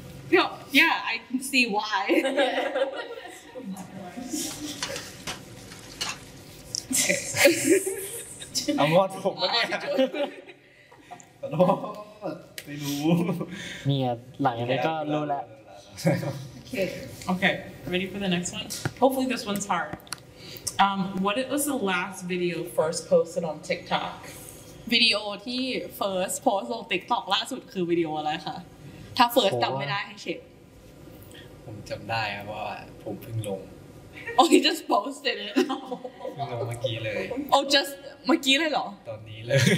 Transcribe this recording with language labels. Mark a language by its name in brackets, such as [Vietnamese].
[English] No. Yeah, I can see why. [Thai] เอาหมดผมไม่ได้ขอโทษไม่รู้เนี่ยหลังนี้ก็รู้แล้ว [English] โอเคโอเค ready for the next one hopefully this one's hard what it was the last video first posted on TikTok [Thai] วิดีโอที่ first post ลง TikTok ล่าสุดคือวิดีโออะไรคะถ้า first จำไม่ได้ให้เช็ค ผมจำได้ครับว่าผมเพิ่งลง [English] oh you just posted it [Thai] ลงเมื่อกี้เลย [English] oh just [Thai] เมื่อกี้เลยเหรอ ตอนนี้เลย